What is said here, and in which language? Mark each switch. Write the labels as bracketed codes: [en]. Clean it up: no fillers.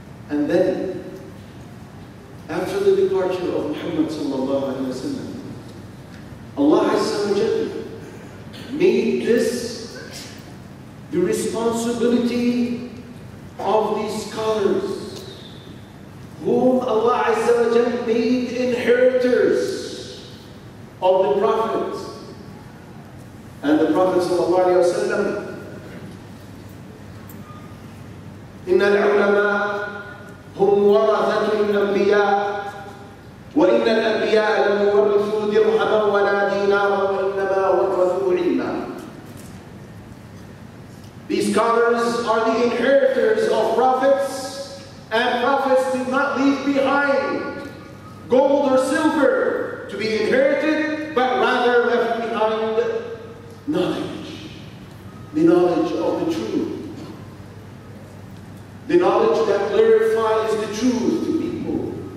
[en] And then, after the departure of Muhammad sallallahu alayhi wa sallam, Allah Azza wa Jal made this the responsibility of these scholars, whom Allah Azza wa Jal made inheritors of the Prophet. And the Prophet sallallahu alayhi wa sallam, [ar] إِنَّ الْعُلَمَاءَ هُمْ وَرَثَةُ الْأَنْبِيَاءِ وَإِنَّ الْأَنْبِيَاءَ لَمْ يُورِثُوا دِرْهَمًا وَلَا دِينَارًا وَإِنَّمَا وَرَثُوا عِلْمًا. [en] These scholars are the inheritors of prophets, and prophets did not leave behind gold or silver to be inherited, but rather left behind knowledge, the knowledge of the truth, the knowledge that clarifies the truth to people.